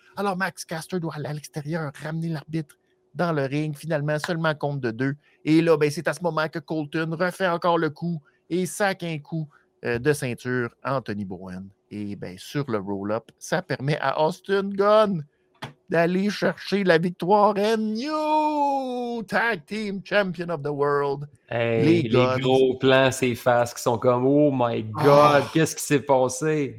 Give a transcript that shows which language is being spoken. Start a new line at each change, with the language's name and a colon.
French: Alors, Max Caster doit aller à l'extérieur, ramener l'arbitre dans le ring, finalement, seulement compte de deux. Et là, ben, c'est à ce moment que Colton refait encore le coup et sac un coup de ceinture à Anthony Bowen. Et ben, sur le roll-up, ça permet à Austin Gunn d'aller chercher la victoire.
English: And new tag team champion of the world.
French: Hey, les gros plans, ces faces qui sont comme,
English: oh my God,
French: qu'est-ce qui s'est passé?